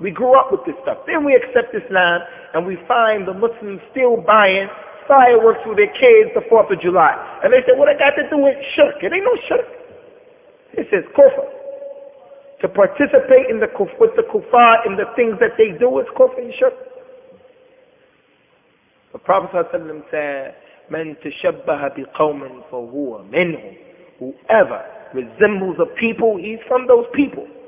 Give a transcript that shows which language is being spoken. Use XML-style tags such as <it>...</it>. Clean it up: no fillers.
<en>We grew up with this stuff. Then we accept Islam, and we find the Muslims still buying fireworks with their kids the 4th of July. And they say, what I got to do with shirk? It ain't no shirk. It says kufr. To participate in the kufr, with the kufar in the things that they do is kufr and shirk. The Prophet ﷺ said,</en> <ar>من تشبه بقوم فهو منهم.</ar> <en>Whoever resembles a people, he's from those people.</en>